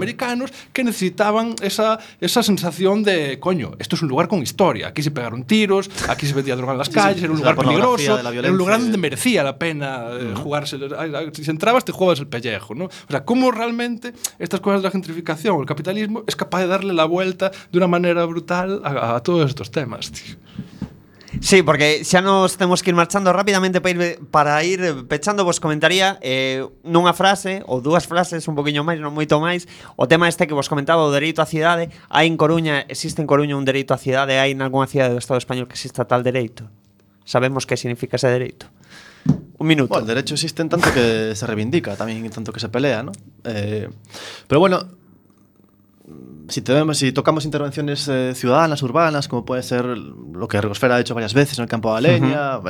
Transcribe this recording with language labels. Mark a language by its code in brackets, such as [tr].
[es] americanos que necesitaban esa sensación de, coño, esto es un lugar con historia, aquí se pegaron tiros, aquí se vendía droga en las calles, era un lugar peligroso, era un lugar donde merecía la pena jugarse, si entrabas te jugabas el pellejo, ¿no? O sea, ¿cómo realmente estas cosas de la gentrificación o el capitalismo es capaz de darle la vuelta de una manera brutal a todos estos temas, tío? [gl] Sí, porque xa nos temos que ir marchando rápidamente para ir pechando. Vos comentaría nunha frase ou dúas frases, un poquinho máis, non moito máis, o tema este que vos comentaba, o dereito á cidade. Hai en Coruña, existe en Coruña un dereito á cidade? Hai en algunha cidade do Estado español que exista tal dereito? Sabemos que significa ese dereito. Un minuto. [es] Bueno, el derecho existe en tanto que se reivindica, también en tanto que se pelea, ¿no? Pero bueno, si tocamos intervenciones ciudadanas, urbanas, como puede ser lo que Ergosfera ha hecho varias veces en el campo de Aleña, uh-huh.